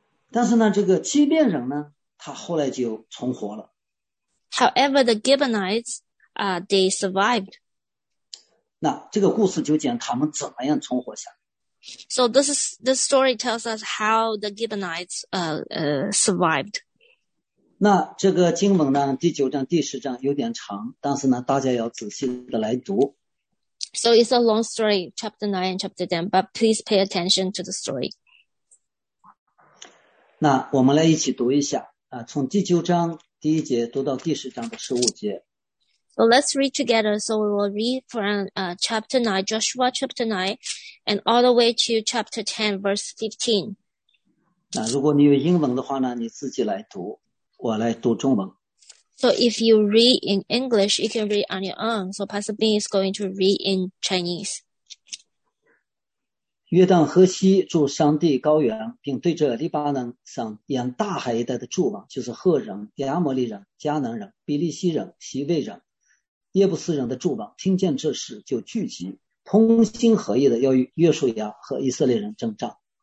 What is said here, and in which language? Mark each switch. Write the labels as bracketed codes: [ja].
[zh] 但是呢，这个基遍人呢，他后来就存活了。 [en] However, the Gibeonites, they survived. [zh] 那这个故事就讲他们怎么样存活下来。 [en] So this story tells us how the Gibeonites survived. [zh] 那这个经文呢，第九章、第十章有点长，但是呢，大家要仔细的来读。 [en] So it's a long story, chapter 9 and chapter 10, but please pay attention to the story. [zh] 那我们来一起读一下，从第九章第一节读到第十章的十五节。 [en] So let's read together. So we will read from chapter 9, Joshua chapter 9, and all the way to chapter 10, verse 15. [zh] 那如果你有英文的话呢，你自己来读，我来读中文。 [en] So if you read in English, you can read on your own. So Pastor Bing is going to read in Chinese. [zh] 约旦河西住上帝高原，并对着黎巴嫩上沿大海一带的诸王，就是赫人、亚摩利人、迦南人、比利西人、西魏人、耶布斯人的诸王，听见这事就聚集，同心合意的要与约书亚和以色列人征战。